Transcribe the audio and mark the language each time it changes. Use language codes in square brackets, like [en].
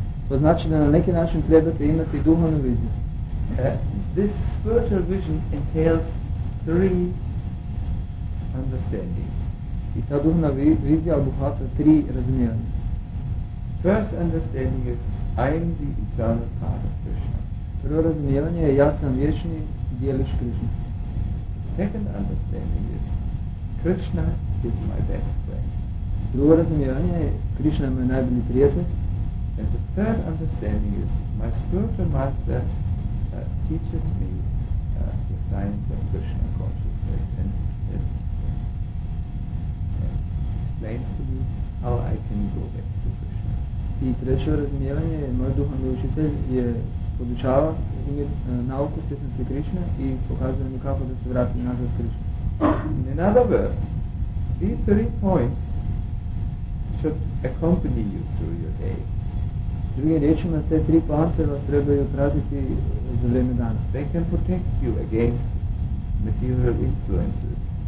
[bs] To znači da na neki način trebate imati duhovnu viziju. [en] This spiritual vision entails three understandings. [bs] I ta duhovna vizija obuhvata tri razumijevanja. [en] First understanding is I am the eternal part of Krishna. [bs] Prvo razumijevanje je ja sam vječni dijelić Krishna. [en] Second understanding is Krishna is my best friend. [bs] Drugo razumijevanje je Krishna je moj najbolji prijatelj. [en] And the third understanding is my spiritual master teaches me the science of Krishna consciousness and explains to me how I can go back to Krishna. [bs] I treće razumijevanje je moj duhovni učitelj je podučava ime nauku svjesnosti Krishna i pokazuje mi kako da se vratim nazad Krishna. [en] In another verse, these three points should accompany you through your day. [bs] Drugim riječima, te tri poante vas trebaju pratiti za vrijeme dana. [en] They can protect you against material influences.